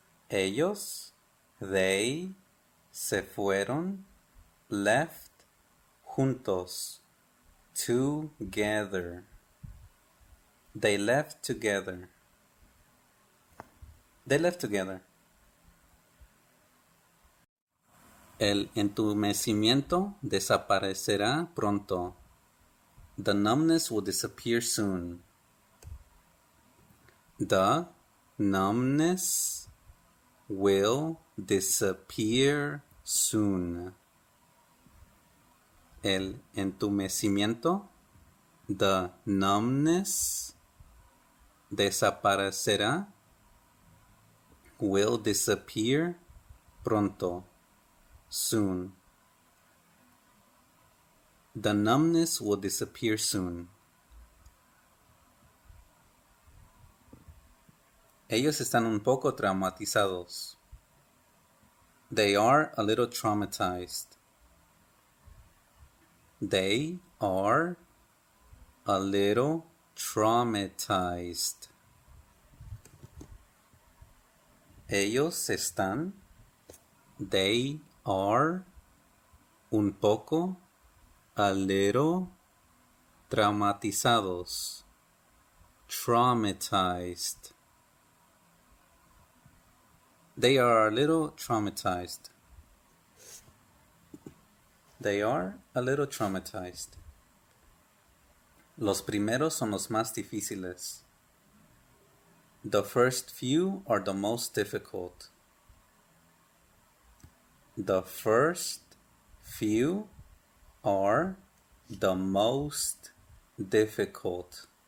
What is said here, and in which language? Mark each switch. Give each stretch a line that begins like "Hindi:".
Spanish: Ellos,
English: they
Spanish: se fueron,
English: left
Spanish: juntos,
English: together. They left together. They left together.
Spanish: El entumecimiento desaparecerá pronto.
English: The numbness will disappear soon. The numbness will disappear soon.
Spanish: El entumecimiento,
English: the numbness,
Spanish: desaparecerá,
English: will disappear
Spanish: pronto,
English: soon. The numbness will disappear soon.
Spanish: Ellos están un poco traumatizados.
English: They are a little traumatized. They are a little traumatized.
Spanish: Ellos están.
English: They are
Spanish: un poco,
English: a little
Spanish: traumatizados.
English: Traumatized. They are a little traumatized. They are a little traumatized.
Spanish: Los primeros son los más difíciles.
English: The first few are the most difficult. The first few are the most difficult.